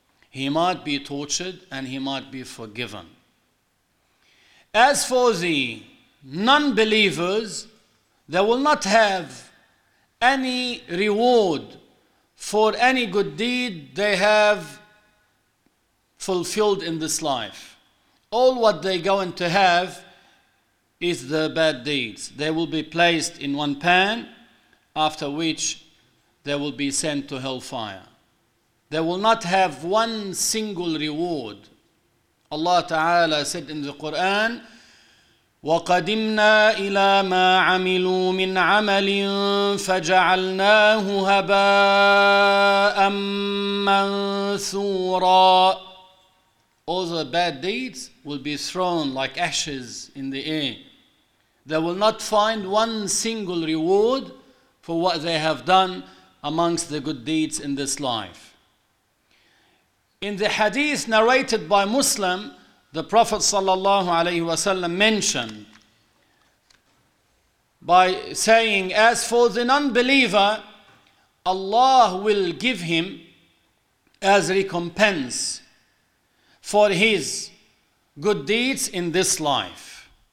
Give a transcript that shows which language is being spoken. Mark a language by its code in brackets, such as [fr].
[en] He might be tortured and he might be forgiven. As for the non-believers, they will not have any reward for any good deed they have fulfilled in this life. All what they're going to have is the bad deeds. They will be placed in one pan, after which they will be sent to hellfire. They will not have one single reward. Allah Ta'ala said in the Quran, [ar] وَقَدِمْنَا إِلَى مَا عَمِلُوا مِنْ عَمَلٍ فَجَعَلْنَاهُ هَبَاءً مَنْثُورًا. [en] All the bad deeds will be thrown like ashes in the air. They will not find one single reward for what they have done amongst the good deeds in this life. In the hadith narrated by Muslim, the Prophet sallallahu alaihi wasallam mentioned by saying, as for the non-believer, Allah will give him as recompense for his good deeds in this life.